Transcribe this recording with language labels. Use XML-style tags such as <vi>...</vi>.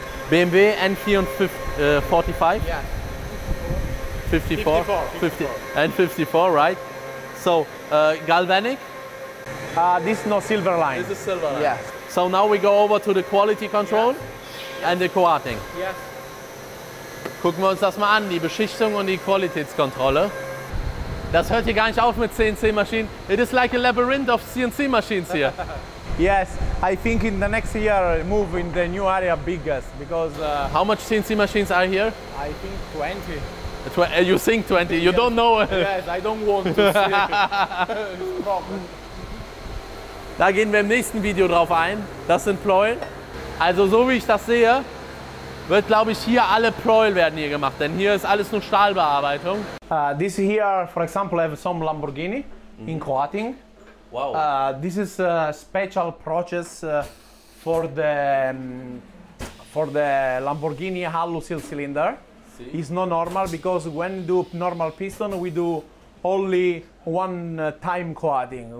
<en>BMW N45. Yeah. 54. N54, right? So galvanic. This is no silver line. This is silver line. Yes. So now we go over to the quality control. Yeah. And the coating. Yes.</en> <de>Gucken wir uns das mal an, die Beschichtung und die Qualitätskontrolle. Das hört hier gar nicht auf mit CNC-Maschinen.</de> <en>It is like a labyrinth of CNC-Machines here. Yes, I think in the next year move in the new area biggest because... How much CNC-Machines are here? I think 20. You think 20? You don't know? Yes, I don't want to see it. It's a problem.</en> <de>Da gehen wir im nächsten Video drauf ein. Das sind Pleuel. Also so wie ich das sehe, wird glaube ich hier alle Pleuel werden hier gemacht, denn hier ist alles nur Stahlbearbeitung.</de> <en>This here, for example, I have some Lamborghini in coating. Wow. This is a special process for the Lamborghini hollow steel cylinder. See? It's not normal because when do normal piston, we do only one time coating.</en>